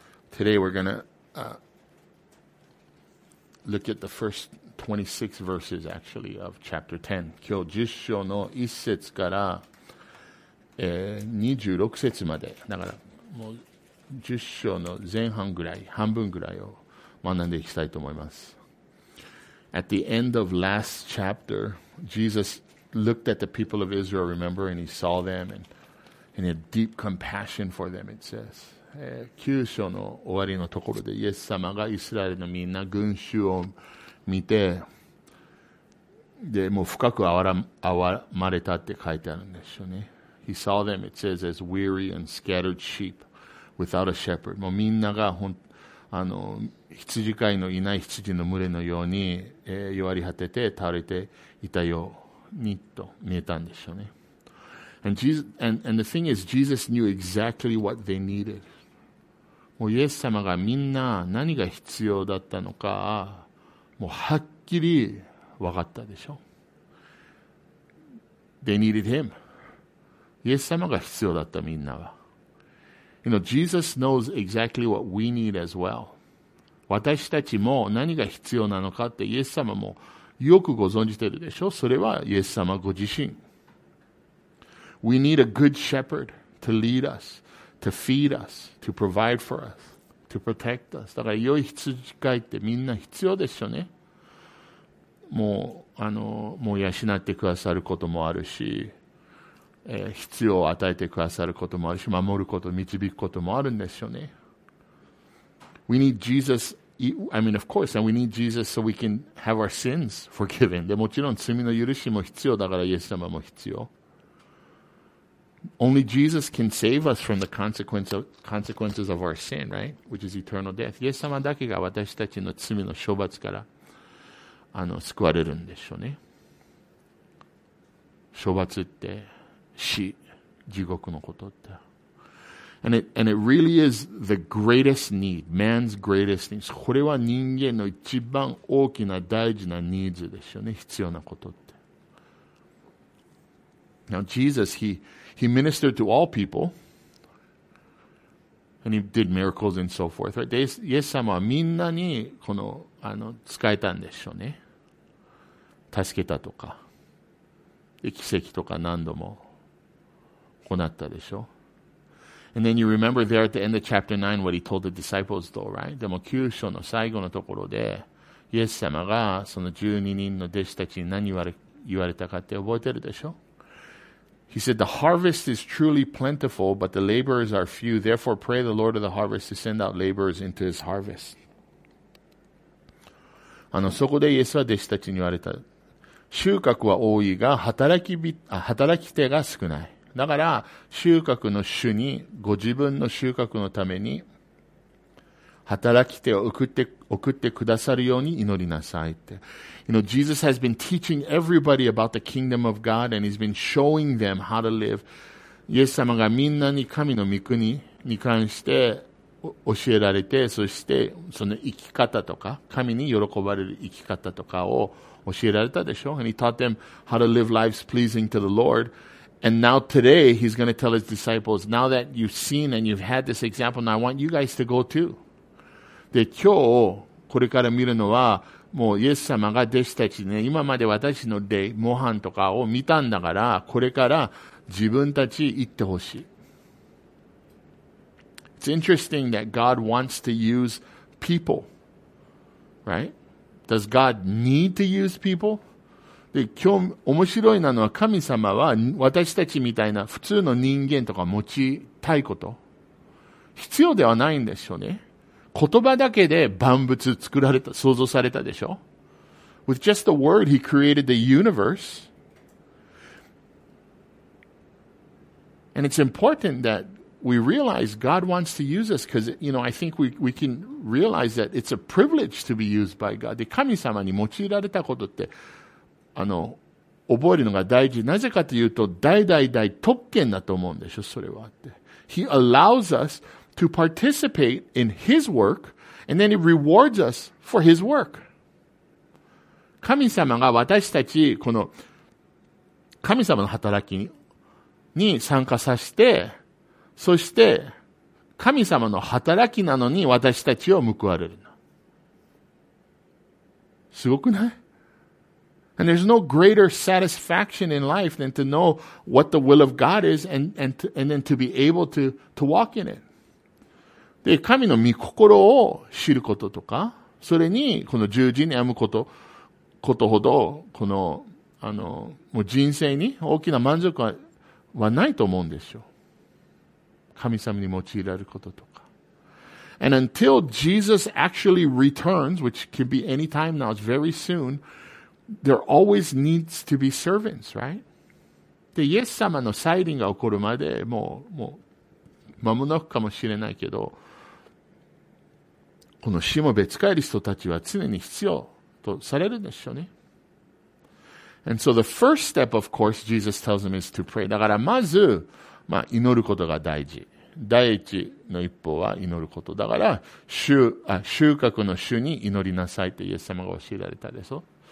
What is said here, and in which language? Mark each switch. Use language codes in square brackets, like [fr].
[en] Today we're going to look at the first 26 verses, actually, of chapter 10. [ja] 今日10章の1節から、26節まで。だから、もう10章の前半ぐらい、半分ぐらいを学んでいきたいと思います。 [en] At the end of last chapter, Jesus looked at the people of Israel, remember, and he saw them and had deep compassion for them, it says. [ja] 9章の終わりのところでイエス様がイスラエルのみんな群衆を見てでもう深く憐まれたって書いてあるんですよね。 [en] He saw them, it says, as weary and scattered sheep without a shepherd. [ja] もうみんながあの羊飼いのいない羊の群れのように、弱り果てて倒れていたようにと見えたんですよね。 [en] And, Jesus, and the thing is, Jesus knew exactly what they needed. [ja] もうイエス様がみんな何が必要だったのか、もうはっきり分かったでしょ。 [en] They needed him. [ja] イエス様が必要だったみんなは。 [en] You know, Jesus knows exactly what we need as well. [ja] 私たちも何が必要なのかってイエス様もよくご存じてるでしょ。それはイエス様ご自身。 [en] We need a good shepherd to lead us, to feed us, to provide for us, to protect us. [ja] だから良い羊飼いってみんな必要でしょうね。もう、もう養ってくださることもあるし、必要を与えてくださることもあるし、守ること、導くこともあるんでしょうね。 [en] We need Jesus, I mean, of course, and we need Jesus so we can have our sins forgiven. [ja] で、もちろん罪の許しも必要だから、イエス様も必要。 [en] Only Jesus can save us from the consequences of our sin, right? Which is eternal death. [ja] イエス様だけが私たちの罪の処罰から救われるんでしょうね。処罰って死、地獄のことって。 [en] And it really is the greatest need, man's greatest need. [ja] これは人間の一番大きな大事なニーズでしょうね。必要なことって。 [en] Now Jesus, he ministered to all people, and he did miracles and so forth, right? [ja] イエス様はみんなにこの、使えたんでしょうね。助けたとか、奇跡とか何度も行ったでしょう。 [en] And then you remember there at the end of chapter 9 what he told the disciples though, right? [ja] でも9章の最後のところで、イエス様がその12人の弟子たちに何言われたかって覚えてるでしょ。 [en] He said, the harvest is truly plentiful, but the laborers are few. Therefore, pray the Lord of the harvest to send out laborers into his harvest. [ja] そこでイエスは弟子たちに言われた。収穫は多いが、働き手が少ない。だから、収穫の主に、ご自分の収穫のために、働き手を送ってくださるように祈りなさいって。 [en] You know, Jesus has been teaching everybody about the kingdom of God and he's been showing them how to live. [ja] イエス様がみんなに神の御国に関して教えられて、そしてその生き方とか、神に喜ばれる生き方とかを教えられたでしょ。 [en] And he taught them how to live lives pleasing to the Lord. And now today, he's going to tell his disciples, now that you've seen and you've had this example, now I want you guys to go too. [ja] で、今日、これから見るのは、もうイエス様が弟子たちね、今まで私の例、模範とかを見たんだから、これから自分たち行ってほしい。 [en] It's interesting that God wants to use people. Right? Does God need to use people? [ja] で今日面白いなのは神様は私たちみたいな普通の人間とか持ちたいこと必要ではないんでしょうね。言葉だけで万物作られた創造されたでしょ。 [en] With just the word he created the universe. And it's important that we realize God wants to use us because, you know, I think we can realize that it's a privilege to be used by God. [ja] で神様に用いられたことって覚えるのが大事。なぜかというと、代々特権だと思うんでしょ、それはって。 [en] He allows us to participate in His work, and then He rewards us for His work. [ja] 神様が私たち、この、神様の働きに参加させて、そして、神様の働きなのに私たちを報われるの。すごくない？ [en] And there's no greater satisfaction in life than to know what the will of God is and then to be able to walk in it. [ja] で、神の御心を知ることとか、それにこの十字に歩むことほど、この、もう人生に大きな満足はないと思うんですよ。神様に用いられることとか。 [en] And until Jesus actually returns, which could be any time now, it's very soon, there always needs to be servants, right? [ja] で、イエス様の再臨が起こるまで、もう、間もなくかもしれないけど、このしもべ使える人たちは常に必要とされるんでしょうね。 [en] And so the first step, of course, Jesus tells them is to pray. [ja] だからまず、まあ、祈ることが大事。第一の一歩は祈ること。だから、収穫の主に祈りなさいってイエス様が教えられたでしょ。